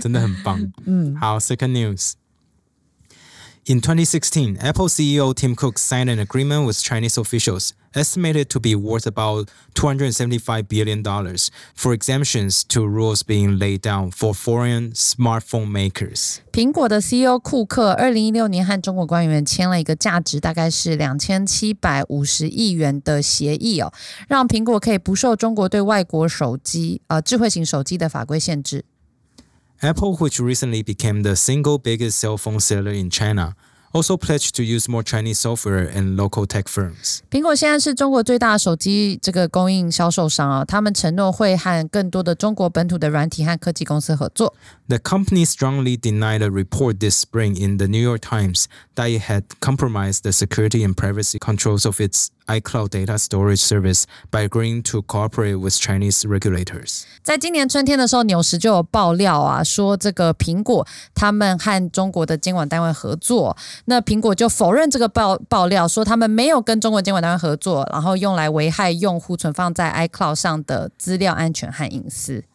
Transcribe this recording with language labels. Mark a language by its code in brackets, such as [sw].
[zh] 真的很棒。嗯，好 [en] ，Second news. In 2016, Apple CEO Tim Cook signed an agreement with Chinese officials, estimated to be worth about $275 billion for exemptions to rules being laid down for foreign smartphone makers. [zh] 苹果的 CEO 库克2016年和中国官员签了一个价值大概是2750亿元的协议、哦、让苹果可以不受中国对外国手机、智慧型手机的法规限制。 [en] Apple, which recently became the single biggest cell phone seller in China, also pledged to use more Chinese software and local tech firms. [zh] 苹果现在是中国最大的手机这个供应销售商、哦、他们承诺会和更多的中国本土的软体和科技公司合作。 [en] The company strongly denied a report this spring in the New York Times that it had compromised the security and privacy controls of its iCloud data storage service by agreeing to cooperate with Chinese regulators. [zh] 在今年春天的时候，纽时就有爆料啊，说这个苹果他们和中国的监管单位合作，那苹果就否认这个 爆料，说他们没有跟中国监管单位合作，然后用来危害用户存放在 iCloud 上的资料安全和隐私。